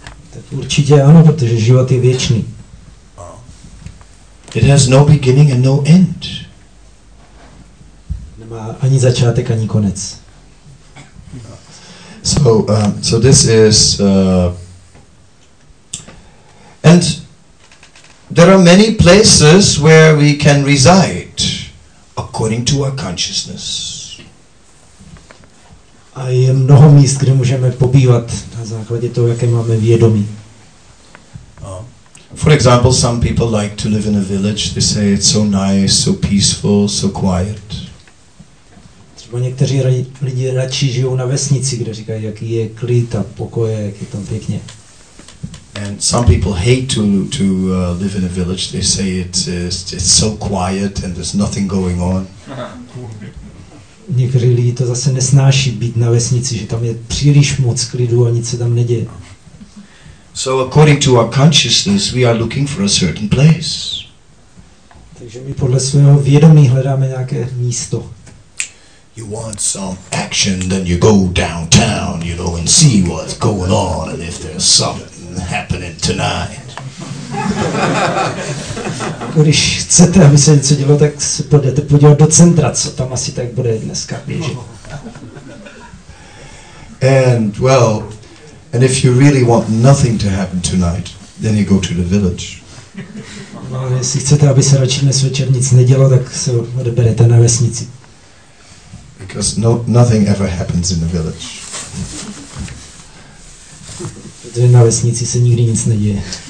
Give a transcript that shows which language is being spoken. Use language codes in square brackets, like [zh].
[cs] Tak určitě ano, protože život je věčný. [en] It has no beginning and no end. [cs] Nemá ani začátek, ani konec. [en] So this is and there are many places where we can reside according to our consciousness. [cs] A je mnoho míst, kde můžeme pobývat na základě toho, jaké máme vědomí. [en] For example, some people like to live in a village. They say it's so nice, so peaceful, so quiet. [cs] Třeba někteří lidi radši žijou na vesnici, kde říkají, jaký je klid a pokoje, jak je tam pěkně. [en] And some people hate to live in a village. They say it's so quiet and there's nothing going on. [cs] Někteří lidi to zase nesnáší být na vesnici, že tam je příliš moc klidu a nic se tam neděje. [en] So according to our consciousness, we are looking for a certain place. [cs] Takže my podle svého vědomí hledáme nějaké místo. [en] You want some action, then you go downtown, you know, and see what's going on and if there's something happening tonight. [cs] Když chcete, aby se něco dělo, tak se půjdete podívat do centra, co tam asi tak bude dneska běžet. [en] And if you really want nothing to happen tonight, then you go to the village. [cs] No, jestli chcete, aby se radši dnes večer nic nedělo, tak se odeberete na vesnici. [en] Because no, nothing ever happens in the village. [cs] Protože na vesnici se nikdy nic neděje.